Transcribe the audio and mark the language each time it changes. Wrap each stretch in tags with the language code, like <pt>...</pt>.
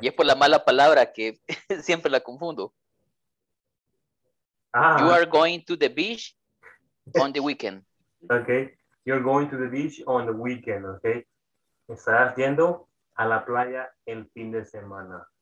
<es>Y es por la mala palabra que siempre la confundo. Ah.</es> <en>You are going to the beach on the weekend. Okay. You're going to the beach on the weekend, okay?</en> <es>Estarás yendo a la playa el fin de semana.</es>